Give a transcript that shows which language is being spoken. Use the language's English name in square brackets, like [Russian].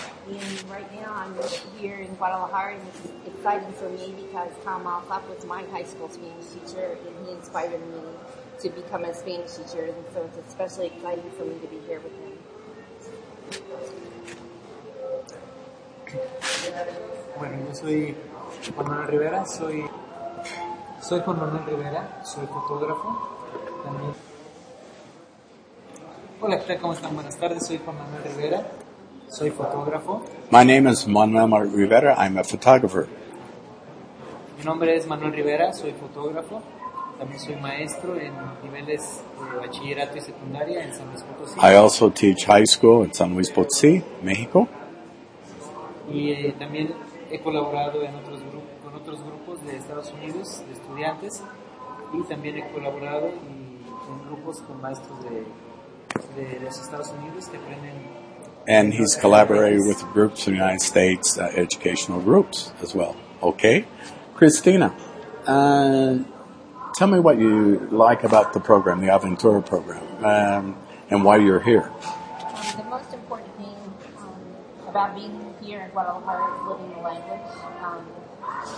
[English] And right now I'm here in Guadalajara, and it's exciting for me because Tom Alcock was my high school Spanish teacher, and he inspired me to become a Spanish teacher, and so it's especially exciting for me to be here with him. [Spanish] Bueno, yo soy Juan Manuel Rivera, soy Juan Manuel Rivera, soy fotógrafo también. Hola, ¿qué tal? ¿Cómo están? Buenas tardes, soy Juan Manuel Rivera, soy fotógrafo. [English] My name is Manuel Rivera, I'm a photographer. [Spanish] Mi nombre es Manuel Rivera, soy fotógrafo, también soy maestro en niveles de bachillerato y secundaria en San Luis Potosí. [English] I also teach high school in San Luis Potosí, México. [Spanish] Y también he colaborado en otros con otros grupos de Estados Unidos, de estudiantes, y también he colaborado en grupos con maestros de los Estados Unidos que aprenden. [English] And he's collaborated with groups in the United States, educational groups as well. Okay. Christina, tell me what you like about the program, the Aventura program, and why you're here. The most important thing about being here in Guadalajara is living the language.